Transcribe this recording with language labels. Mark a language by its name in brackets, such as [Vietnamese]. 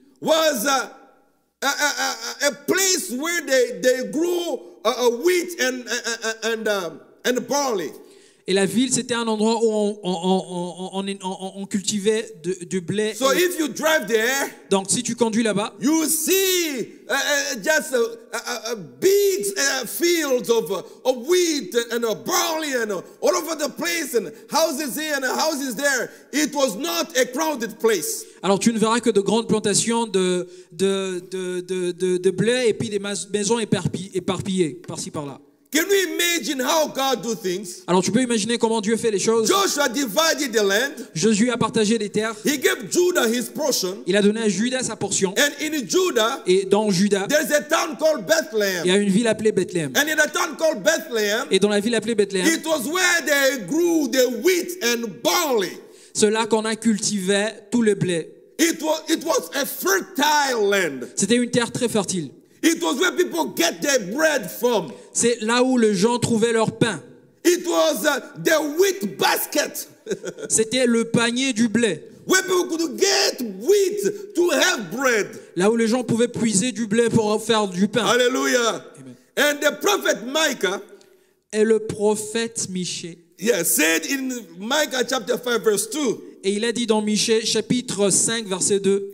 [English] was a place where they grew wheat and barley. [French] Et la ville c'était un endroit où on cultivait du blé. [English] So if you drive there, [French] donc si tu conduis là-bas, [English] you see just big fields of wheat and barley and all over the place and houses here and houses there. It was not a crowded place. [French] Alors tu ne verras que de grandes plantations de blé et puis des maisons éparpillées par-ci par-là. [English] Can we imagine how God do things? [French] Alors tu peux imaginer comment Dieu fait les choses. [English] Joshua divided the land. [French] Josué a partagé les terres. [English] He gave Judah his portion. [French] Il a donné à Judas sa portion. [English] And in Judah, [French] et dans Juda, [English] there's a town called Bethlehem. [French] Il y a une ville appelée Bethlehem. [English] And in a town called Bethlehem, [French] et dans la ville appelée Bethlehem, [English] it was where they grew the wheat and barley. [French] C'est là qu'on a cultivé tout le blé. [English] It was a fertile land. [French] C'était une terre très fertile. [English] It was where people get their bread from. [French] C'est là où les gens trouvaient leur pain. [English] It was the wheat basket. [French] C'était le panier du blé. [English] Where people could get wheat to have bread. [French] Là où les gens pouvaient puiser du blé pour faire du pain. [English] Alléluia. And the prophet Micah. [French] Et le prophète Michée. [English] Yeah, said in Micah chapter 5 verse 2. [French] Et il a dit dans Michée chapitre 5 verset 2.